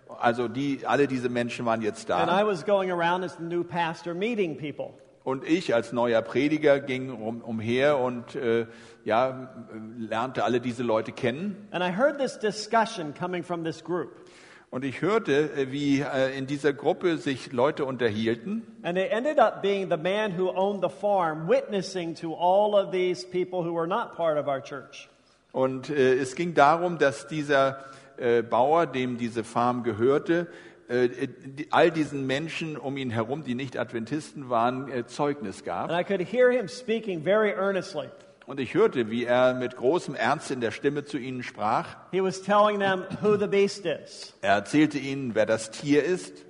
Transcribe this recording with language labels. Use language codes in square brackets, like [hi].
[de] Also alle diese Menschen waren jetzt da. [en] And I was going around as the new pastor meeting people. [de] Und ich als neuer Prediger ging umher und lernte alle diese Leute kennen. [en] And I heard this discussion coming from this group. [de] Und ich hörte, wie in dieser Gruppe sich Leute unterhielten. [en] And it ended up being the man who owned the farm witnessing to all of these people who were not part of our church. [de] Und es ging darum, dass dieser Bauer, dem diese Farm gehörte, all diesen Menschen um ihn herum, die nicht Adventisten waren, Zeugnis gab. [en] And I could hear him speaking very earnestly. [de] Und ich hörte, wie er mit großem Ernst in der Stimme zu ihnen sprach. [en] He was telling them who the beast is. [de] Er erzählte ihnen, wer das Tier ist.